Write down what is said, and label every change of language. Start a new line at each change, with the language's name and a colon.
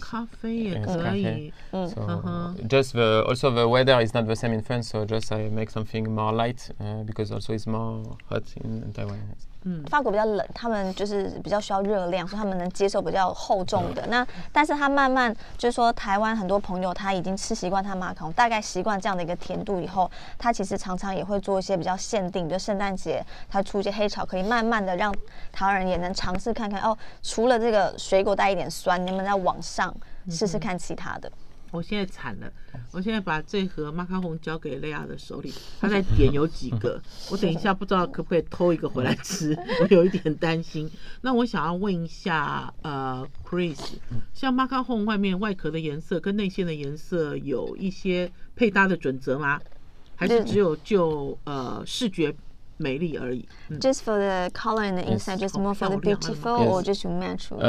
Chinese: 咖啡也可以
English: so, just the weather is not the same in France, so just I make something more light because also it's more hot in Taiwan、yes.
Chinese: 法国比较冷，他们就是比较需要热量，所以他们能接受比较厚重的、那但是他慢慢就是说台湾很多朋友他已经吃习惯他马卡龙，大概习惯这样的一个甜度以后，他其实常常也会做一些比较限定，比如圣诞节他出一些黑巧克力，慢慢的让台湾人也能尝试看看哦，除了这个水果带一点酸，你们再往上试试看其他的。我现在惨了，我现在把这盒马卡龙交给Leia的手里，他在点有几个，我等一下不知道可不可以偷一个回来吃，我有一点担心。那我想要问一下Chris， 像马卡龙外面外壳的颜色跟内馅的颜色有一些配搭的准则吗？还是只有就视觉美丽而已、
English: Just for the color and the inside, yes, just more for the beautiful, or just to match with